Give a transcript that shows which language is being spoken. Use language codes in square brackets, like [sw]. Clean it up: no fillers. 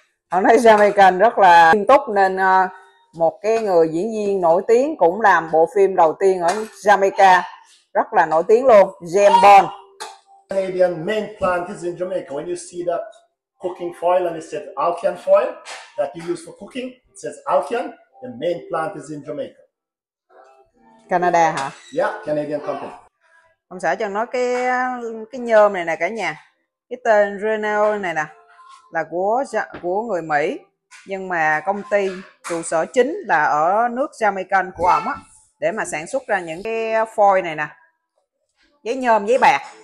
[vi] Ông nói Jamaican rất là nghiêm túc, nên một cái người diễn viên nổi tiếng cũng làm bộ phim đầu tiên ở Jamaica, rất là nổi tiếng luôn, James Bond. [en] Canadian main plant is in Jamaica. When you see that cooking foil and it says Alkyon foil that you use for cooking, it says Alkyon. The main plant is in Jamaica. [vi] Canada hả? [en] Canadian company. [vi] Ông xã cho nói cái nhôm này nè cả nhà, cái tên Renault này nè là của người Mỹ, nhưng mà công ty trụ sở chính là ở nước Jamaican của ông á, để mà sản xuất ra những cái foil này nè, giấy nhôm, giấy bạc.